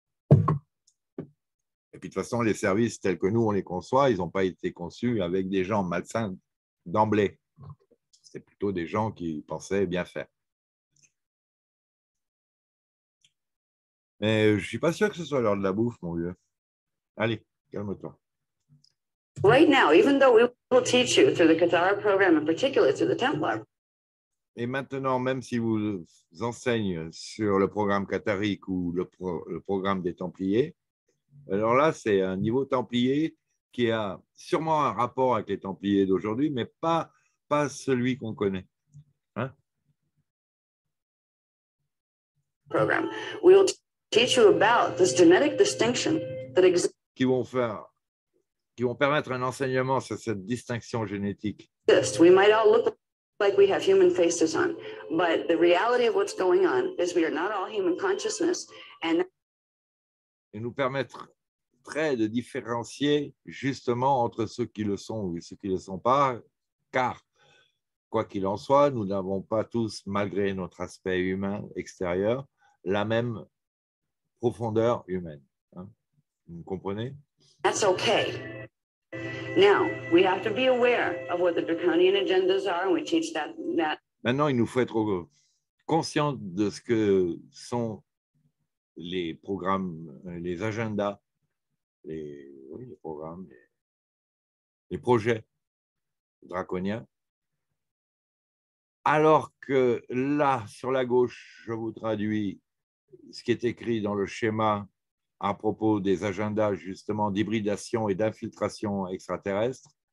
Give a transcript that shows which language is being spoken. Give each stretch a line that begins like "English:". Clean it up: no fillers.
French: Et puis, de toute façon, les services tels que nous, on les conçoit, ils n'ont pas été conçus avec des gens malsains d'emblée. C'est plutôt des gens qui pensaient bien faire. Mais je ne suis pas sûr que ce soit l'heure de la bouffe, mon vieux. Allez, calme-toi.
English: Right now, even though we will teach you through the Katara program, in particular through the Templar.
French: Et maintenant, même si vous enseigne sur le programme catharique ou le programme des Templiers, alors là, c'est un niveau Templier qui a sûrement un rapport avec les Templiers d'aujourd'hui, mais pas celui qu'on connaît.
English: Program. We'll teach you about this genetic distinction that exists.
French: Qui vont faire, qui vont permettre un enseignement sur cette distinction génétique.
English: We might all look like we have human faces on, but the reality of what's going on is we are not all human consciousness. And
French: et nous permettrait de différencier justement entre ceux qui le sont et ceux qui ne le sont pas, car quoi qu'il en soit, nous n'avons pas tous, malgré notre aspect humain extérieur, la même profondeur humaine. Hein? Vous comprenez?
English: That's okay. Now, we have to be aware of what the draconian agendas are, and we teach that, that.
French: Maintenant, il nous faut être conscient de ce que sont les programmes, les agendas, les projets draconiens. Alors que là, sur la gauche, je vous traduis ce qui est écrit dans le schéma à propos des agendas justement d'hybridation et d'infiltration extraterrestre.